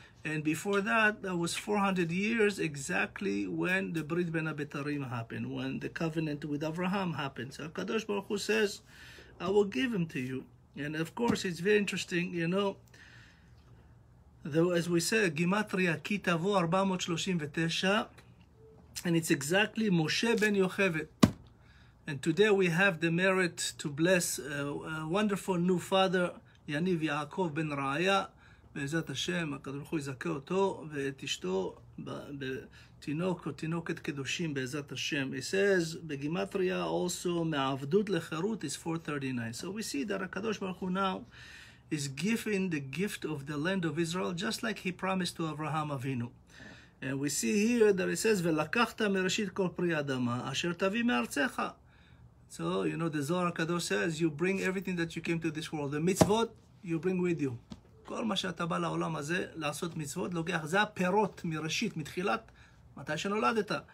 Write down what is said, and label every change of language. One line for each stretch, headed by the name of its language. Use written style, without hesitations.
English: And before that, that was 400 years exactly when the Brit Ben HaBetarim happened, when the covenant with Abraham happened. So HaKadosh Baruch Hu says, I will give him to you. And of course, it's very interesting, you know, though, as we say, Gimatria Kitavo 439, and it's exactly Moshe Ben Yocheved. And today we have the merit to bless a wonderful new father, Yaniv Yaakov Ben Raya,
Hebrew: בעזרת השם, הקדוש ברוך הוא יזכה אותו ואת אשתו בתינוק או תינוקת קדושים בעזרת השם.
English: He says, בגימטריה also,
Hebrew: מעבדות לחירות
English: is 439. So we see that הקדוש ברוך הוא now is giving the gift of the land of Israel just like he promised to Abraham Avinu. And we see here that it says,
Hebrew: ולקחת מראשית כל פרי אדמה אשר תביא מארצך.
English: So, you know, the Zohar הקדוש says, you bring everything that you came to this world. The mitzvot, you bring with you.
Hebrew: כל מה שאתה בא לעולם הזה לעשות מצוות, לוקח, זה הפירות מראשית, מתחילת, מתי שנולדת.